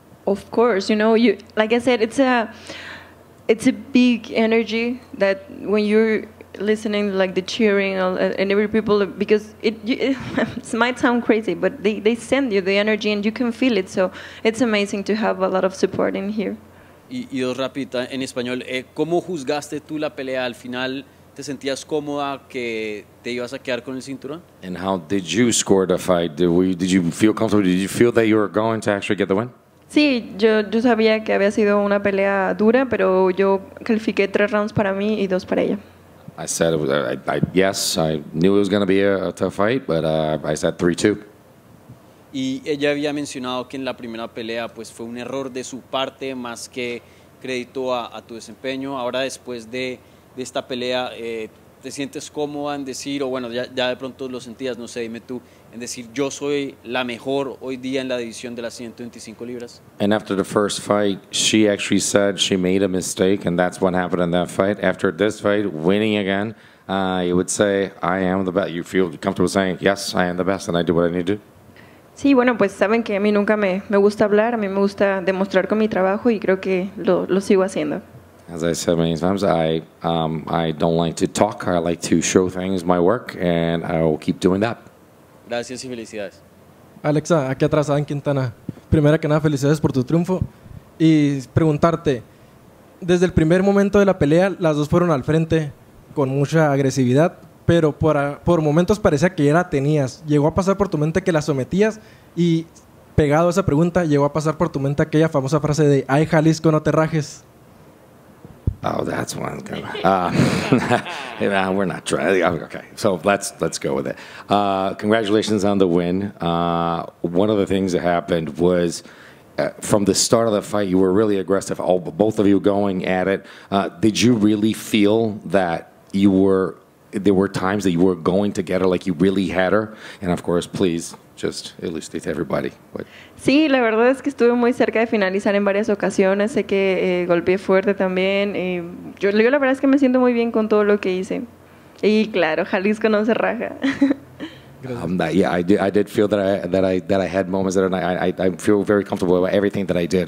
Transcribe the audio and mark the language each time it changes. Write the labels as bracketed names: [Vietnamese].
[English] Of course, you know, you like I said, it's a big energy that when you're listening, like the cheering and every people, because it might sound crazy, but they send you the energy and you can feel it. So it's amazing to have a lot of support in here. [Spanish] Y rapidita en español, ¿cómo juzgaste tú la pelea? Al final, ¿te sentías cómoda que te ibas a quedar con el cinturón? [English] And how did you score the fight? Did you feel comfortable? Did you feel that you were going to actually get the win? [Spanish] Sí, yo sabía que había sido una pelea dura, pero yo califiqué 3 rounds para mí y 2 para ella. [English] I said, yes, I knew it was going to be a tough fight, but I said 3-2. [Spanish] Y ella había mencionado que en la primera pelea pues fue un error de su parte más que crédito a tu desempeño. Ahora después de esta pelea, ¿te sientes cómoda en decir, o bueno, ya de pronto lo sentías, no sé, dime tú, en decir yo soy la mejor hoy día en la división de las 125 libras? [English] And after the first fight, she actually said she made a mistake, and that's what happened in that fight. After this fight, winning again, you would say, I am the best. You feel comfortable saying, yes, I am the best, and I do what I need to do. [Spanish] Sí, bueno, pues saben que a mí nunca me gusta hablar, a mí me gusta demostrar con mi trabajo y creo que lo sigo haciendo. [English] As I said many times, I don't like to talk, I like to show things, my work, and I will keep doing that. [Spanish] Gracias y felicidades. Alexa, aquí atrás, Adán Quintana. Primera que nada, felicidades por tu triunfo. Y preguntarte, desde el primer momento de la pelea, las dos fueron al frente con mucha agresividad. Pero por momentos parecía que ya la tenías. ¿Llegó a pasar por tu mente que la sometías? ¿Y pegado a esa pregunta, llegó a pasar por tu mente aquella famosa frase de "Ay, Jalisco, no te rajes"? [English] Oh, that's one. we're not trying. Okay, so let's go with it. Congratulations on the win. One of the things that happened was, from the start of the fight, you were really aggressive. All both of you going at it. Did you really feel that you were? There were times that you were going to get her, like you really had her. And of course, please just elucidate everybody. What? [Spanish] Sí, la verdad es que estuve muy cerca de finalizar en varias ocasiones. Sé que golpeé fuerte también. Yo la verdad es que me siento muy bien con todo lo que hice. Y claro, Jalisco no se raja. [English] I did feel that I had moments that I feel very comfortable about everything that I did.